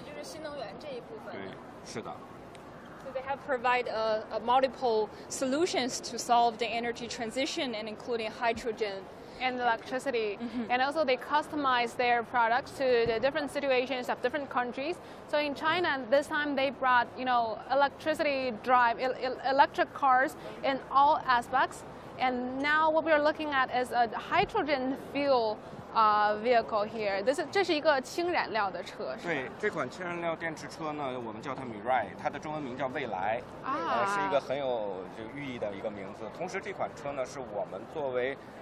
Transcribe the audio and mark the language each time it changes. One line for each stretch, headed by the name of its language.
Chinese: 外插电的混合动力技术、纯电的技术，以及千燃料电池技术。因为中国的能源结构，包括全球的能源结构，每个国家、每个地区都不一样。那这个国家适合什么样的产品，我们就顺着它的这个需求提供它所这个需要的产品，让消费者来做最终的选择。所以就是新能源这一部分。对，是的。
English: So they have provide multiple solutions to solve the energy transition, and including hydrogen and electricity. Mm-hmm. And also they customize their products to the different situations of different countries. So in China, this time they brought, you know, electricity drive, electric cars in all aspects. And now what we are looking at is a hydrogen fuel vehicle here. This is
Chinese: 这是一个氢燃料的车。对，这款氢燃料电池车呢，我们叫它Mirai，它的中文名叫蔚来，是一个很有这个寓意的一个名字。同时，这款车呢，是我们作为